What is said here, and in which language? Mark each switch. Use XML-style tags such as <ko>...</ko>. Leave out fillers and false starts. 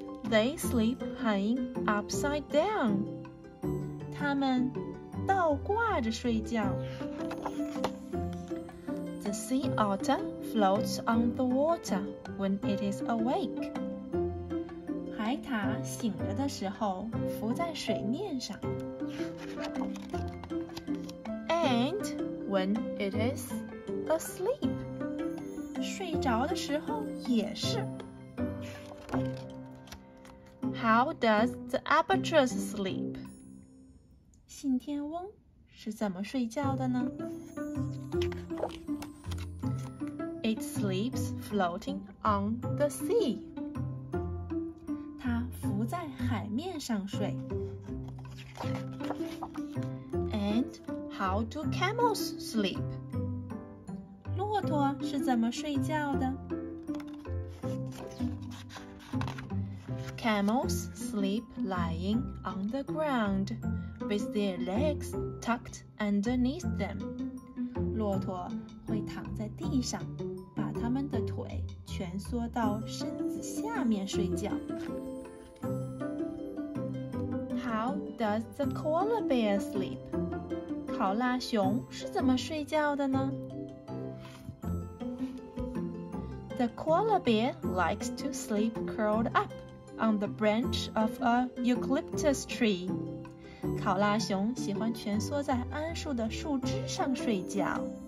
<en>They sleep hanging upside down.</en> <zh>他们倒挂着睡觉。</zh> <en>The sea otter floats on the water when it is awake.</en> <zh>海獭醒着的时候浮在水面上。</zh> <en>And when it is asleep.</en> <zh>睡着的时候也是。</zh> <en>How does the albatross sleep?</en> <zh>信天翁是怎么睡觉的呢？</zh> <en>It sleeps floating on the sea.</en> <zh>它浮在海面上睡。</zh> <en>And how do camels sleep?</en> <zh>骆驼是怎么睡觉的？</zh> <en>Camels sleep lying on the ground with their legs tucked underneath them.</en> <zh>骆驼会躺在地上，把他们的腿蜷缩到身子下面睡觉。</zh> <en>How does the koala bear sleep?</en> <zh>考拉熊是怎么睡觉的呢？</zh> <en>The koala bear likes to sleep curled up on the branch of a eucalyptus tree.</en> <zh>考拉熊喜欢蜷缩在桉树的树枝上睡觉。</zh>